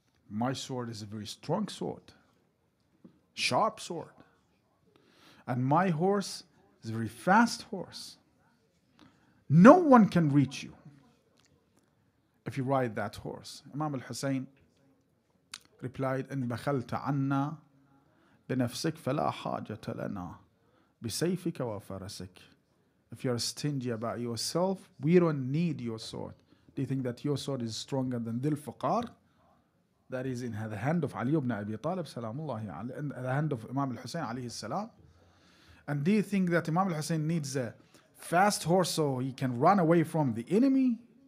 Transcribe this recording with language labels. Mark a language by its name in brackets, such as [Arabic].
[English] My sword is a very strong sword, sharp sword. And my horse is a very fast horse. No one can reach you if you ride that horse. Imam al-Hussein replied, [Arabic] إن بخلت عنا بنفسك فلا حاجة لنا بسيفك وفرسك. [English] If you are stingy about yourself, we don't need your sword. Do you think that your sword is stronger than Dil Fuqar? That is in the hand of Ali ibn Abi Talib, salamullahi alayhi, in the hand of Imam al-Hussein, alayhi salam. And do you think that Imam al-Hussein needs a fast horse so he can run away from the enemy?